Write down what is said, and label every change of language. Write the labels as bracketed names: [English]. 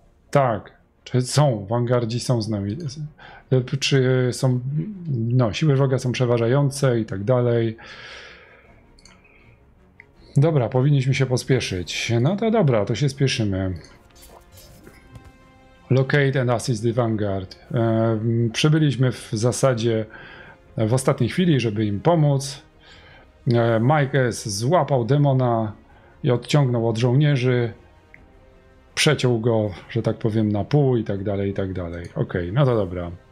[Polish] Tak. Czy są? Vanguardzi są z nami. Czy są... No, siły wroga są przeważające i tak dalej. Dobra, powinniśmy się pospieszyć. No to dobra, to się spieszymy. [English] Locate and assist the Vanguard. [Polish] Przybyliśmy w zasadzie w ostatniej chwili, żeby im pomóc. Mike S. złapał demona i odciągnął od żołnierzy. Przeciął go, że tak powiem, na pół i tak dalej, i tak dalej. Okej, okay, no to dobra.